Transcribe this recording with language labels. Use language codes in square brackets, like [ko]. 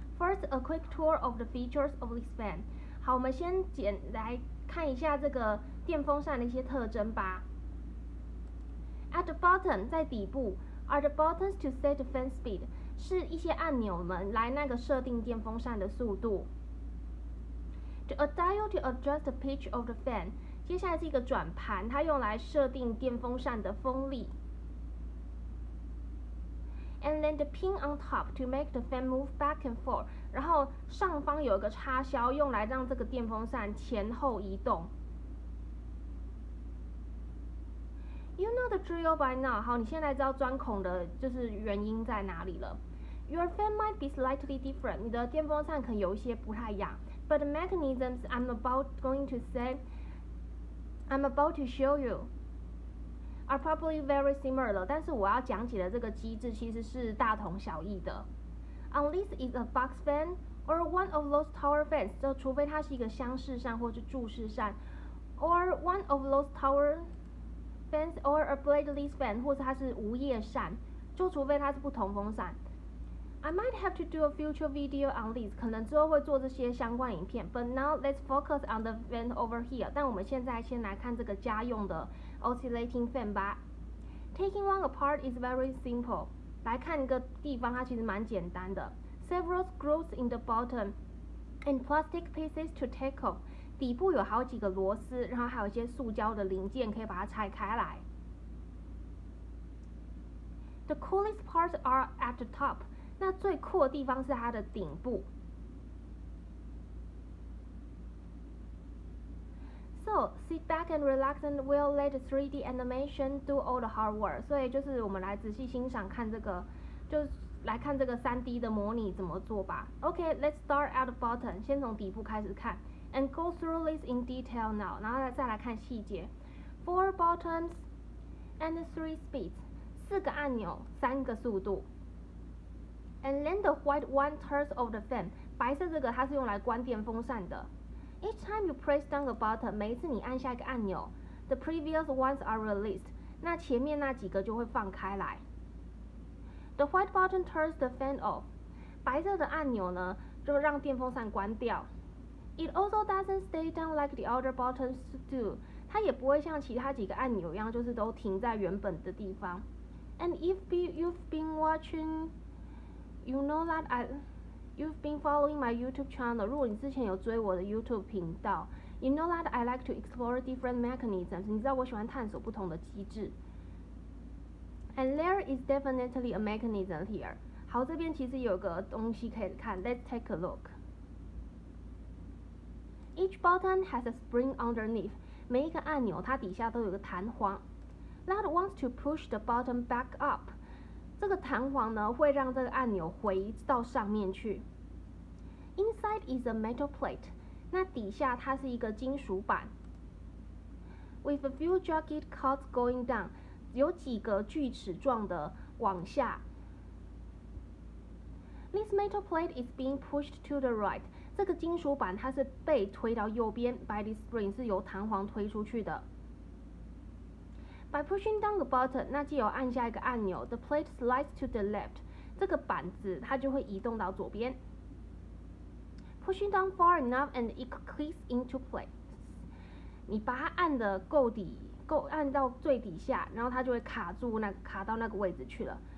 [en] First, a quick tour of the features of this fan. [zh] 好，我们先简来看一下这个电风扇的一些特征吧。 [en] At the bottom， [zh] 在底部 ， [en] are the buttons to set the fan speed， [zh] 是一些按钮们来那个设定电风扇的速度。 [en] The a dial to adjust the pitch of the fan， [zh] 接下来是一个转盘，它用来设定电风扇的风力。 [en] And then the pin on top to make the fan move back and forth. [zh] 然后上方有一个插销用来让这个电风扇前后移动。 [en] You know the drill by now. [zh] 好，你现在知道钻孔的就是原因在哪里了。 [en] Your fan might be slightly different. [zh] 你的电风扇可能有一些不太一样。 [en] But the mechanisms I'm about to show you. are probably very similar, [zh] 但是我要讲解的这个机制其实是大同小异的。 [en] Unless it's a box fan or one of those tower fans, [zh] 就除非它是一个厢式扇或是柱式扇 [en] or one of those tower fans or a bladeless fan, [zh] 或是它是无叶扇，就除非它是不同风扇。 [en] I might have to do a future video on this, [zh] 可能之后会做这些相关影片 [en] but now let's focus on the fan over here, [zh] 但我们现在先来看这个家用的Oscillating fan 吧。 [en] Taking one apart is very simple. [zh] 来看一个地方，它其实蛮简单的。 [en] Several screws in the bottom and plastic pieces to take off. [zh] 底部有好几个螺丝，然后还有一些塑胶的零件可以把它拆开来。 [en] The coolest parts are at the top. [zh] 那最酷的地方是它的顶部。 [en] So, sit back and relax and we'll let the 3D animation do all the hard work. [zh] 所以就是我们来仔细欣赏看这个，就来看这个 3D 的模拟怎么做吧。 [en] Okay, let's start at the bottom. [zh] 先从底部开始看。 [en] And go through this in detail now. [zh] 然后再来看细节。 [en] Four buttons and three speeds. [zh] 四个按钮，三个速度。 [en] And then the white one turns of the fan. [zh] 白色这个它是用来关电风扇的。 [en] Each time you press down a button, [zh] 每一次你按下一个按钮 [en] the previous ones are released. [zh] 那前面那几个就会放开来。 [en] The white button turns the fan off. [zh] 白色的按钮呢，就让电风扇关掉。 [en] It also doesn't stay down like the other buttons do. [zh] 它也不会像其他几个按钮一样，就是都停在原本的地方。 [en] And if you've been watching, you know that You've been following my YouTube channel. [zh] 如果你之前有追我的 YouTube 频道 [en] You know that I like to explore different mechanisms. [zh] 你知道我喜欢探索不同的机制。 [en] And there is definitely a mechanism here. [zh] 好，这边其实有个东西可以看。 [en] Let's take a look. Each button has a spring underneath. [zh] 每一个按钮它底下都有个弹簧。 [en] That wants to push the button back up. [zh] 这个弹簧呢，会让这个按钮回到上面去。 [en] Inside is a metal plate. [zh] 那底下它是一个金属板。 [en] With a few jagged cuts going down. [zh] 有几个锯齿状的往下。 [en] This metal plate is being pushed to the right. [zh] 这个金属板它是被推到右边 [en] by the spring, [zh] 是由弹簧推出去的。 [en] By pushing down the button, [zh] 那藉由按下一个按钮 [en] the plate slides to the left, [zh] 这个板子它就会移动到左边。 [en] Pushing down far enough and it clicks into place. [zh] 你把它按的够底，够按到最底下，然后它就会卡住那卡到那个位置去了。